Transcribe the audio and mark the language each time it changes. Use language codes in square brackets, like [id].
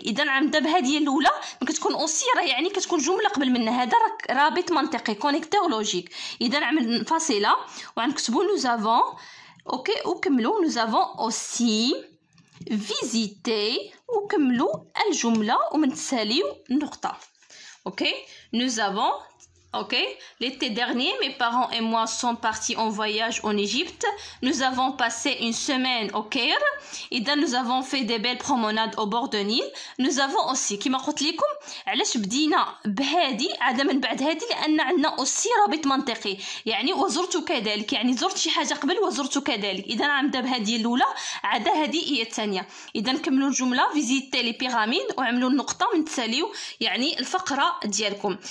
[ar] اذا عمدة بهادي الاولى ما كتكون اوسي، راه يعني كتكون جمله قبل منها، هذا راه رابط منطقي كونيكتور لوجيك. اذا عمل فاصله وغنكتبوا نو زافون اوكي وكملوا نو زافون اوسي فيزيتي وكملوا الجمله ومن تساليو النقطه. اوكي نو زافون OK. [fr] L'été dernier, mes parents et moi sont partis en voyage en Égypte. Nous avons passé une semaine au Caire. Et là, nous avons fait des belles promenades au bord de Nil. Nous avons aussi, [ar] كما قلت لكم، علاش بدينا بهادي عاد من بعد هادي؟ لان عندنا aussi رابط منطقي، يعني وزرت كذلك، يعني زرت شي حاجه قبل وزرت كذلك. اذا عمدة بهادي الاولى عاد هادي هي الثانيه. اذا كملوا الجمله فيزيتي لي بيراميد وعملوا النقطه من تساليو يعني الفقره ديالكم.